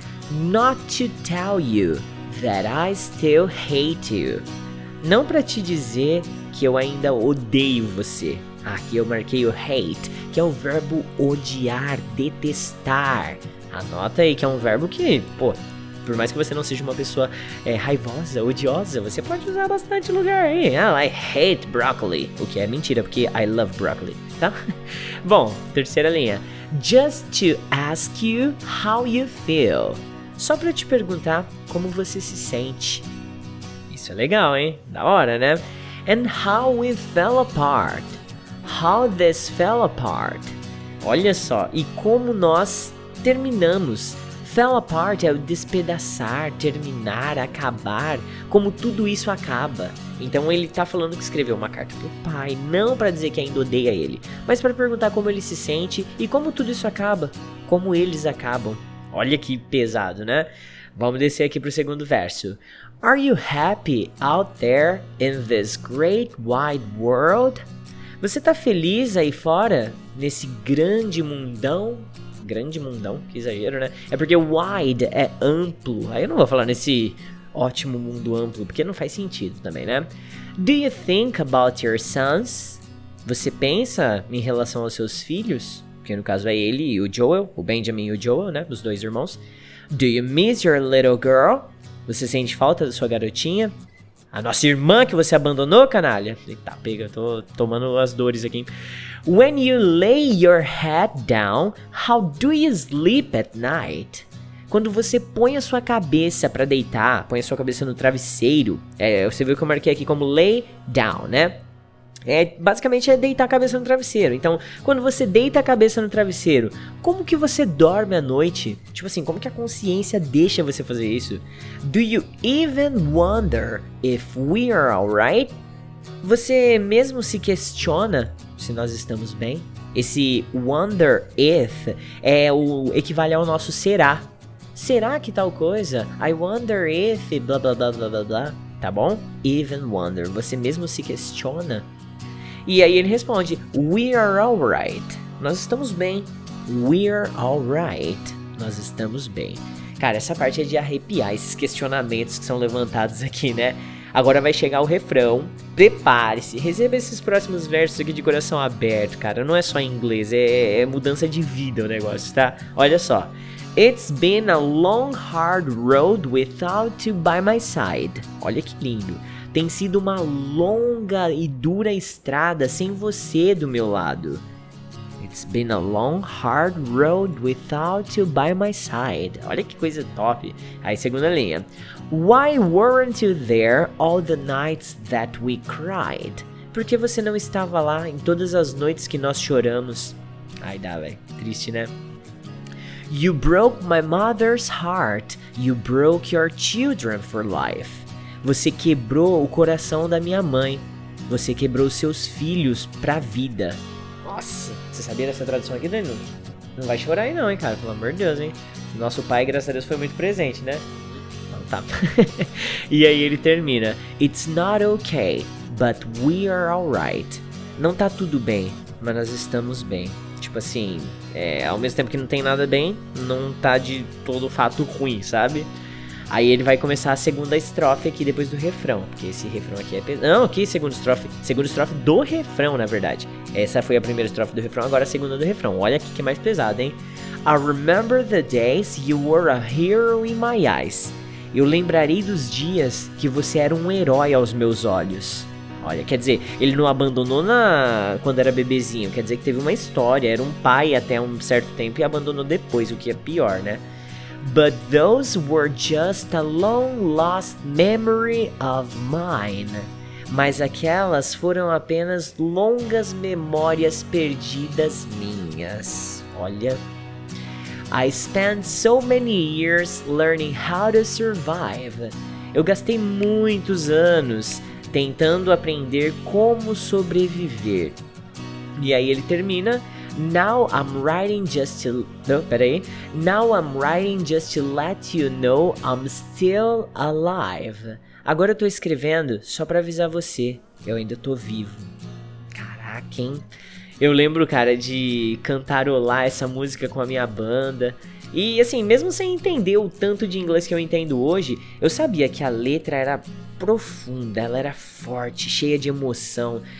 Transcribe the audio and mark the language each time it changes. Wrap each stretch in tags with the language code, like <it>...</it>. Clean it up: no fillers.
<en>Not to tell you that I still hate you.</en> <pt>Não pra te dizer que eu ainda odeio você. Aqui eu marquei o hate, que é o verbo odiar, detestar. Anota aí que é um verbo que, pô, por mais que você não seja uma pessoa raivosa, odiosa, você pode usar bastante lugar aí.</pt> <en>Oh, I hate broccoli.</en> <pt>O que é mentira, porque</pt> <en>I love broccoli, tá?</en> <pt>Bom, terceira linha.</pt> <en>Just to ask you how you feel.</en> <pt>Só pra te perguntar como você se sente. Isso é legal, hein? Da hora, né?</pt> <en>And how we fell apart. How this fell apart.</en> <pt>Olha só, e como nós terminamos. Fell apart é o despedaçar, terminar, acabar, como tudo isso acaba. Então ele tá falando que escreveu uma carta pro pai, não pra dizer que ainda odeia ele, mas pra perguntar como ele se sente e como tudo isso acaba, como eles acabam. Olha que pesado, né? Vamos descer aqui pro segundo verso.</pt> <en>Are you happy out there in this great wide world?</en> <pt>Você tá feliz aí fora, nesse grande mundão? Grande mundão, que exagero, né? É porque wide é amplo. Aí eu não vou falar nesse ótimo mundo amplo, porque não faz sentido também, né?</pt> <en>Do you think about your sons?</en> <pt>Você pensa em relação aos seus filhos? Que no caso é ele e o Joel, o Benjamin e o Joel, né? Os dois irmãos.</pt> <en>Do you miss your little girl?</en> <pt>Você sente falta da sua garotinha? A nossa irmã que você abandonou, canalha? Eita, pega, tô tomando as dores aqui.</pt> <en>When you lay your head down, how do you sleep at night?</en> <pt>Quando você põe a sua cabeça pra deitar, põe a sua cabeça no travesseiro, você viu que eu marquei aqui como lay down, né? É, basicamente é deitar a cabeça no travesseiro. Então, quando você deita a cabeça no travesseiro, como que você dorme à noite? Tipo assim, como que a consciência deixa você fazer isso?</pt> <en>Do you even wonder if we are alright?</en> <pt>Você mesmo se questiona se nós estamos bem? Esse wonder if é o equivale ao nosso será. Será que tal coisa?</pt> <en>I wonder if</en> <pt>blá blá blá blá blá blá. Tá bom? Even wonder. Você mesmo se questiona? E aí ele responde,</pt> <en>we are alright.</en> <pt>Nós estamos bem.</pt> <en>We are alright.</en> <pt>Nós estamos bem. Cara, essa parte é de arrepiar, esses questionamentos que são levantados aqui, né? Agora vai chegar o refrão. Prepare-se. Receba esses próximos versos aqui de coração aberto, cara. Não é só em inglês, é mudança de vida o negócio, tá? Olha só.</pt> <en>It's been a long, hard road without you by my side.</en> <pt>Olha que lindo. Tem sido uma longa e dura estrada sem você do meu lado.</pt> <en>It's been a long, hard road without you by my side.</en> <pt>Olha que coisa top. Aí, segunda linha.</pt> <en>Why weren't you there all the nights that we cried?</en> <pt>Por que você não estava lá em todas as noites que nós choramos? Ai, dá, velho. Triste, né?</pt> <en>You broke my mother's heart. You broke your children for life.</en> <pt>Você quebrou o coração da minha mãe. Você quebrou seus filhos pra vida. Nossa, você sabia dessa tradução aqui, Danilo? Não vai chorar aí não, hein, cara? Pelo amor de Deus, hein? Nosso pai, graças a Deus, foi muito presente, né? Não, tá. E aí ele termina.</pt> <en>It's not okay, but we are alright.</en> <pt>Não tá tudo bem, mas nós estamos bem. Tipo assim, ao mesmo tempo que não tem nada bem, não tá de todo fato ruim, sabe? Aí ele vai começar a segunda estrofe aqui depois do refrão. Porque esse refrão aqui é pesado. Não, aqui, segunda estrofe. Segunda estrofe do refrão, na verdade. Essa foi a primeira estrofe do refrão, agora a segunda do refrão. Olha aqui que é mais pesado, hein?</pt> <en>I remember the days you were a hero in my eyes.</en> <pt>Eu lembrarei dos dias que você era um herói aos meus olhos. Olha, quer dizer, ele não abandonou quando era bebezinho. Quer dizer que teve uma história, era um pai até um certo tempo e abandonou depois, o que é pior, né?</pt> <en>But those were just a long lost memory of mine.</en> <pt>Mas aquelas foram apenas longas memórias perdidas minhas. Olha.</pt> <en>I spent so many years learning how to survive.</en> <pt>Eu gastei muitos anos tentando aprender como sobreviver. E aí ele termina.</pt> <en>Now I'm writing just to...</en> <pt>Não, peraí.</pt> <en>Now I'm writing just to let you know I'm still alive.</en> <pt>Agora eu tô escrevendo só pra avisar você. Eu ainda tô vivo. Caraca, hein? Eu lembro, cara, de cantarolar essa música com a minha banda. E assim, mesmo sem entender o tanto de inglês que eu entendo hoje, eu sabia que a letra era profunda, ela era forte, cheia de emoção.</pt>